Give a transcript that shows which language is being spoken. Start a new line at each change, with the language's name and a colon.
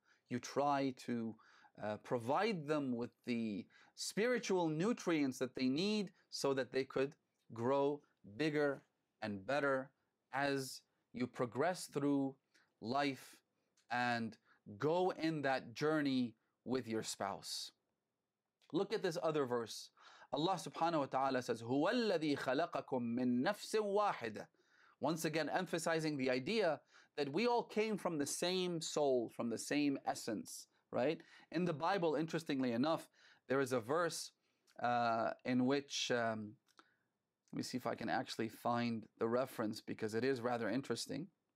English: You try to provide them with the spiritual nutrients that they need so that they could grow bigger and better as you progress through life and go in that journey with your spouse. Look at this other verse. Allah subhanahu wa ta'ala says,
Arabic: هُوَ الَّذِي خَلَقَكُم مِّن نَفْسٍ وَاحِدَةٍ.
English: Once again, emphasizing the idea that we all came from the same soul, from the same essence, right? In the Bible, interestingly enough, there is a verse in which, let me see if I can actually find the reference because it is rather interesting.